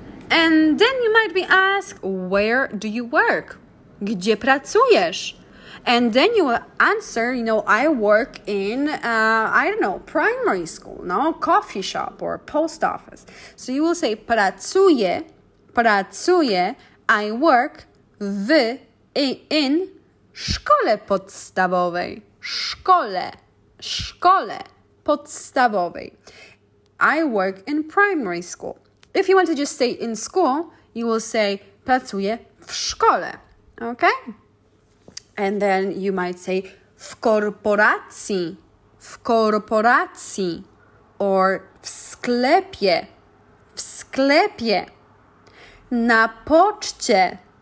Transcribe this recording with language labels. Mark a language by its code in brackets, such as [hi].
[en] And then you might be asked, where do you work? [pl] Gdzie pracujesz? [en] And then you will answer, you know, I work in, I don't know, primary school, no? Coffee shop or post office. So you will say, [pl] pracuję, pracuję, [en] I work w I in [pl] szkole podstawowej. Szkole, szkole podstawowej. [en] I work in primary school. If you want to just stay in school, you will say, [pl] pracuję w szkole, [en] okay? And then you might say [pl] w korporacji, [en] or [pl] w sklepie, na poczcie,